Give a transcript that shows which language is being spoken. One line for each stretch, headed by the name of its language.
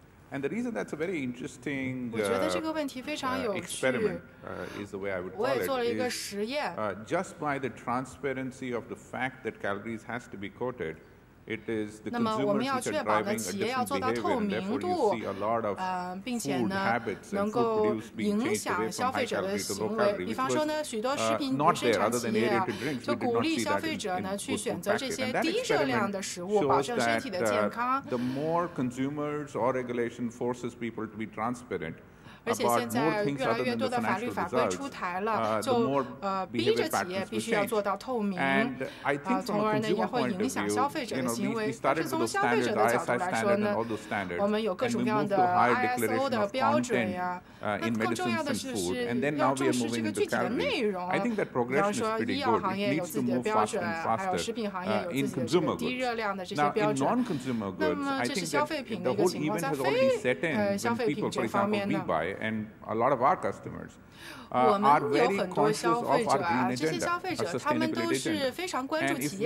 English: And the reason that's a very interesting experiment is the way I would call it, is just by the transparency of the fact that calories has to be quoted, it is the consumers which are driving a different behavior, and therefore you see a lot of food habits and food produce being changed away from high calorie to low calorie, which was not there other than air into drinks. We did not see that in food packet. And that experiment shows that the more consumers or regulation forces people to be transparent,
Chinese: 而且现在越来越多的法律法规出台了，就逼着企业必须要做到透明，从而呢也会影响消费者的行为。但是从消费者的角度来说呢，我们有各种各样的 ISO 的标准呀。那更重要的是要重视这个具体的内容。
English: I think that progression is pretty good. It needs to move faster and faster in consumer goods. Now, in non-consumer goods, I think that the whole event has already set in when people, for example, we buy. And a lot of our customers are very conscious of our green agenda, our sustainability agenda.